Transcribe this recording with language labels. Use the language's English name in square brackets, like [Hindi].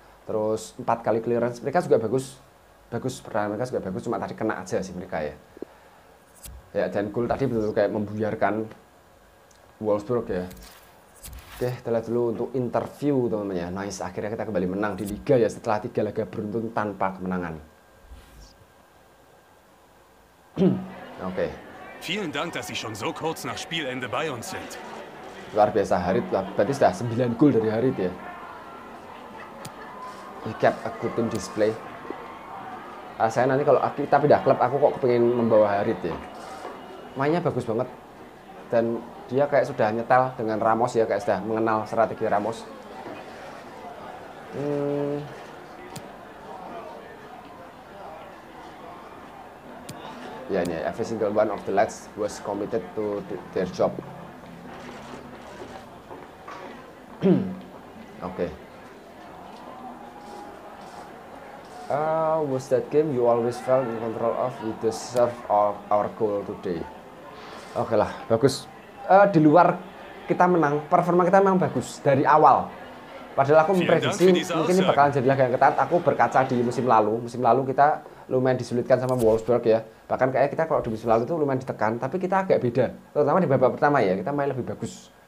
[Indonesian] Terus 4 kali clearance, mereka juga bagus. Bagus, pertahanan mereka juga bagus, cuma tadi kena aja sih mereka ya. Ya, dan goal tadi betul-betul kayak membuyarkan Wolfsburg ya. Oke, kita lihat dulu untuk interview teman-teman ya. Nice, akhirnya kita kembali menang di Liga ya setelah 3 laga beruntun tanpa kemenangan. Oke. [German] Vielen Dank, dass Sie schon so kurz nach Spielende bei uns sind. [Indonesian] Luar biasa, Harit. Berarti sudah 9 gol dari Harit ya. [English] He kept a good team display. [Indonesian] Saya nanti kalau kita pindah klub, aku kok kepengen membawa Harit ya. Mainnya bagus banget. Dan dia kayak sudah nyetel dengan Ramos ya, kayak sudah mengenal strategi Ramos. [English] Ya, every single one of the lads was committed to their job. Okay. Was that game you always felt in control of? We deserve our goal today. [Indonesian] Okay lah, bagus. Di luar kita menang, performa kita memang bagus dari awal. Padahal aku memprediksi mungkin ini bakalan jadi laga yang ketat. Aku berkaca di musim lalu kita lumayan disulitkan sama Wolfsburg ya. Bahkan kayak kita kalau di musim lalu itu lumayan ditekan, tapi kita agak beda. Terutama di babak pertama ya, kita main lebih bagus.